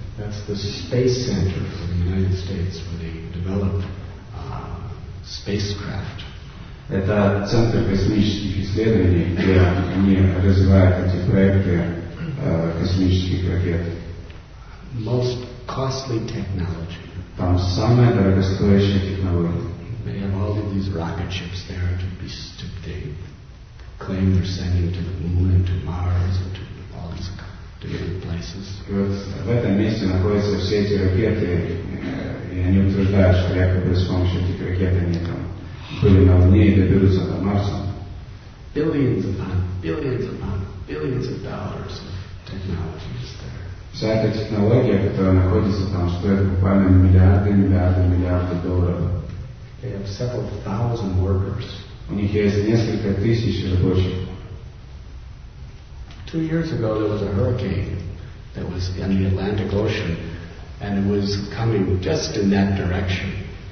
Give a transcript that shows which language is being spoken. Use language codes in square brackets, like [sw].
[en] That's the space center for the United States, where they develop spacecraft. [ru] Это центр космических исследований, где они развивают эти проекты космических ракет. [en] Most costly technology. [ru] Там самая дорогостоящая технология. [en] They have all of these rocket ships there to claim they're sending to the moon and to Mars and to all these different places. [ru] В этом месте находятся все эти ракеты, и они утверждают, что якобы с помощью этих ракет они там были на Луне и доберутся до Марса. [en] Billions upon billions upon billions of dollars of technology is there. [ru] Вся эта технология, которая находится там, стоит буквально миллиарды, миллиарды, миллиарды долларов. [en] They have several thousand workers. [ru] У них есть несколько тысяч рабочих. [en] 2 years ago there was a hurricane that was in the Atlantic Ocean, and it was coming just in that direction.